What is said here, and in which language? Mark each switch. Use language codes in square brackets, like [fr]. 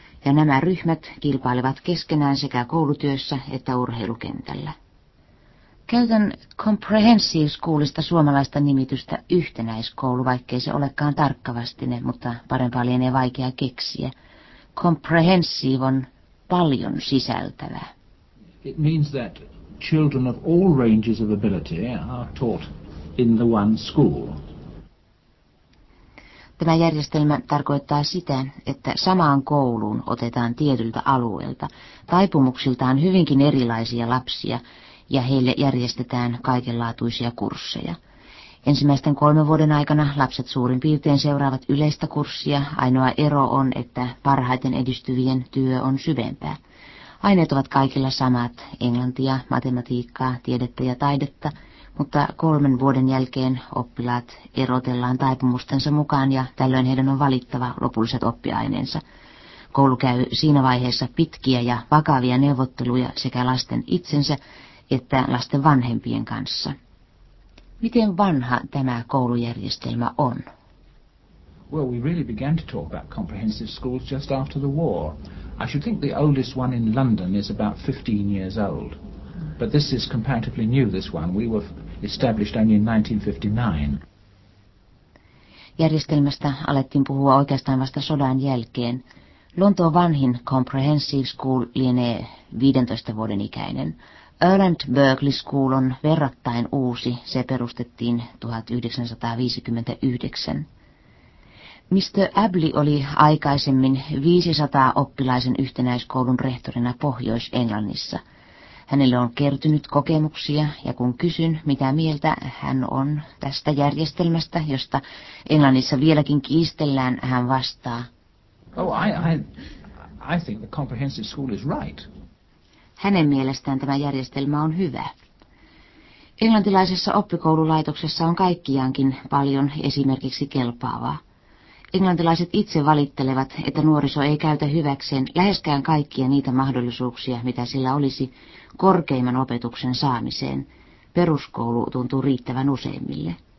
[fi] Ja nämä ryhmät kilpailevat keskenään sekä koulutyössä että urheilukentällä. Käytän comprehensive schoolista suomalaista nimitystä yhtenäiskoulu, vaikkei se olekaan tarkkavastinen, mutta parempaa lienee vaikea keksiä. Comprehensive on paljon sisältävää. [en] It means that children of all ranges of ability are taught in the one school. [fi] Tämä järjestelmä tarkoittaa sitä, että samaan kouluun otetaan tietyltä alueelta taipumuksiltaan hyvinkin erilaisia lapsia, ja heille järjestetään kaikenlaatuisia kursseja. Ensimmäisten 3 vuoden aikana lapset suurin piirtein seuraavat yleistä kurssia. Ainoa ero on, että parhaiten edistyvien työ on syvempää. Aineet ovat kaikilla samat, englantia, matematiikkaa, tiedettä ja taidetta, mutta 3 vuoden jälkeen oppilaat erotellaan taipumustensa mukaan ja tällöin heidän on valittava lopulliset oppiaineensa. Koulu käy siinä vaiheessa pitkiä ja vakavia neuvotteluja sekä lasten itsensä että lasten vanhempien kanssa. Miten vanha tämä koulujärjestelmä on? [en] Well, we really began to talk about comprehensive schools just after the war. I should think the oldest one in London is about 15 years old. But this is comparatively new, this one. We were established only in 1959. [fi] Järjestelmästä alettiin puhua oikeastaan vasta sodan jälkeen. Lontoon vanhin comprehensive school lienee 15 vuoden ikäinen. Erland Berkeley School on verrattain uusi. Se perustettiin 1959. Mr. Abley oli aikaisemmin 500 oppilaisen yhtenäiskoulun rehtorina Pohjois-Englannissa. Hänelle on kertynyt kokemuksia, ja kun kysyn, mitä mieltä hän on tästä järjestelmästä, josta Englannissa vieläkin kiistellään, hän vastaa. [en] Oh, I think the comprehensive school is right. [fi] Hänen mielestään tämä järjestelmä on hyvä. Englantilaisessa oppikoululaitoksessa on kaikkiaankin paljon esimerkiksi kelpaavaa. Englantilaiset itse valittelevat, että nuoriso ei käytä hyväkseen läheskään kaikkia niitä mahdollisuuksia, mitä sillä olisi korkeimman opetuksen saamiseen. Peruskoulu tuntuu riittävän useimmille.